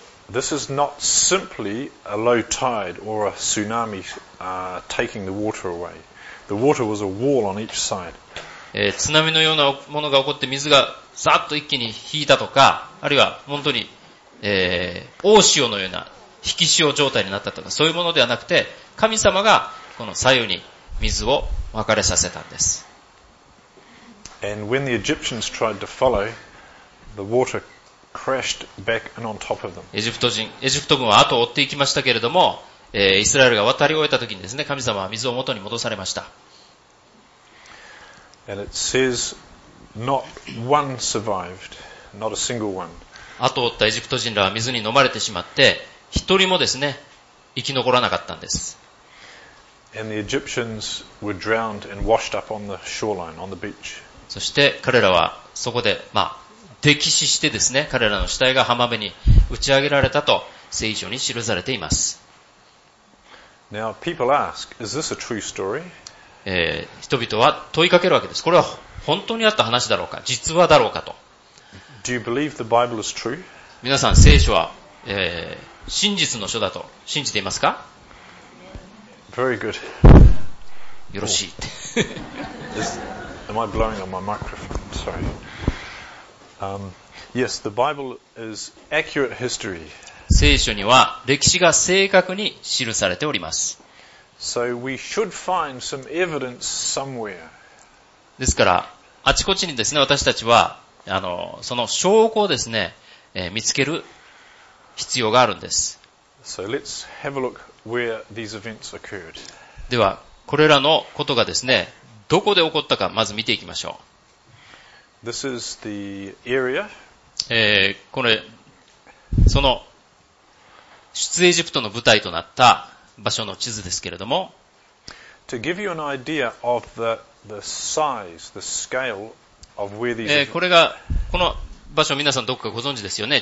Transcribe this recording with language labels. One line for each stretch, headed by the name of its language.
English: This is not simply a low tide or a tsunami taking the water away. The water was a wall on each side.
Japanese: 津波のようなものが起こって水がザッと一気に引いたとか、あるいは本当に、大潮のような引き潮状態になったとか、そういうものではなくて、神様がこの左右に水を分かれさせたんです。
English: And when the Egyptians tried to follow, the water crashed back and on top of them.
Japanese: エジプト軍は後を追っていきましたけれども、イスラエルが渡り終えた時にですね、神様は水を元に戻されました。
English: And it says, not one survived, not a single one.
Japanese: 後を追ったエジプト人らは水に飲まれてしまって、一人もですね、生き残らなかったんです。
English: And the Egyptians were drowned and washed up on the shoreline, on the beach.
Japanese: そして彼らはそこで、溺死してですね、彼らの死体が浜辺に打ち上げられたと聖書に記されています。
English: Now, people ask, is this a true story?
Japanese: 人々は問いかけるわけです。これは本当にあった話だろうか、実話だろうかと。
English: Do you believe the Bible is true?
Japanese: 皆さん、聖書は、真実の書だと信じていますか?
English: Very good.
Japanese: よろしい。
English: Am I blowing on my microphone? Sorry. Yes, the Bible is accurate history.
Japanese: 聖書には歴史が正確に記されております。
English: So we should find some evidence somewhere.
Japanese: ですから、あちこちにですね、私たちは、その証拠をですね、見つける必要があるんです。
English: So let's have a look where these events occurred.
Japanese: では、これらのことがですね、どこで起こったか、まず見ていきましょう。
English: This is the area.
Japanese: これ、その、出エジプトの舞台となった場所の地図ですけれども、これがこの場所、皆さんどこかご存知ですよね。